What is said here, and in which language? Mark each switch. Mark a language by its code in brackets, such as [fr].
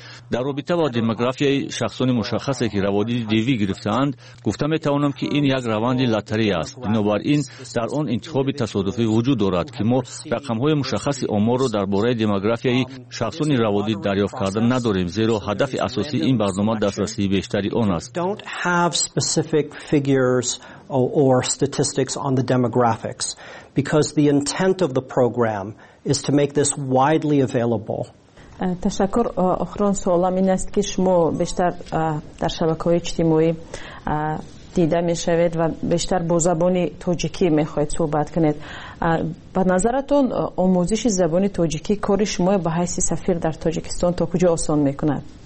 [fa] در رابطه با دموگرافی شخصان مشخصی که روادید دیوی گرفتند گفته می توانم که این یک روند لاتری است بنابراین در آن انتخاب تصادفی وجود دارد که ما رقم های مشخص آمار را درباره دموگرافی شخصان روادید دریافت کرده نداریم زیرا هدف اساسی این برنامه دسترسی بیشتری آن است [en] don't have specific figures or statistics on the demographics because the intent of the program is to make this widely available [fa] تشکر اخران سوالم این است که شما بیشتر در شبکه‌های اجتماعی دیده می شوید و بیشتر با زبان تاجیکی می خواهید صحبت کنید به نظرتون آموزش زبان تاجیکی کار شما به حیث سفیر در تاجیکستان تا کجا آسان می کند؟